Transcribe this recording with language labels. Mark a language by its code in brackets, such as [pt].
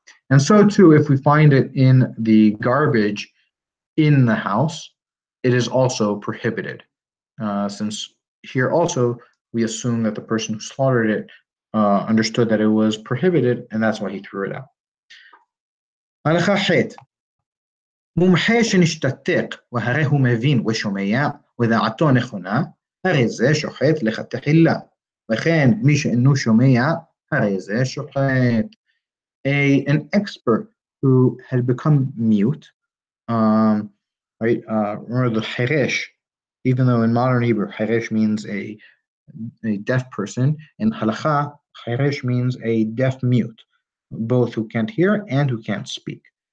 [en] And so too, if we find it in the garbage in the house, it is also prohibited, since here also we assume that the person who slaughtered it understood that it was prohibited and that's why he threw it out. [he] הלכה חית, מומחה שנשתתק והרי הוא מבין ושומע ודעתו נכונה, הרי זה שוחט לחתחילה, וכן מי שאינו שומע, הרי זה שוחט. [en] An expert who had become mute, remember the Hiresh, even though in modern Hebrew Hiresh means a deaf person, in halakha Hiresh means a deaf mute, both who can't hear and who can't speak.